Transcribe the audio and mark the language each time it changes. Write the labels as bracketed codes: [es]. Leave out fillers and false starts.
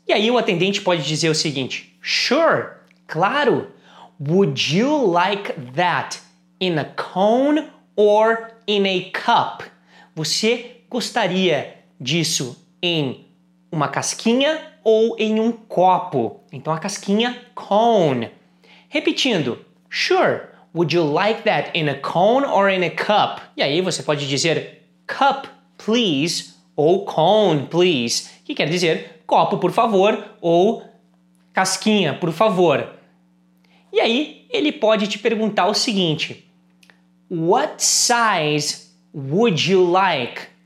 [pt] E aí o atendente pode dizer o seguinte: Sure, claro. [en] Would you like that in a cone or in a cup? [pt] Você gostaria disso em uma casquinha ou em um copo. Então a casquinha, cone. Repetindo, [en] sure, would you like that in a cone or in a cup? [pt] E aí você pode dizer [en] cup, please, [pt] ou [en] cone, please, [pt] que quer dizer copo, por favor, ou casquinha, por favor. E aí ele pode te perguntar o seguinte, [en] what size would you like?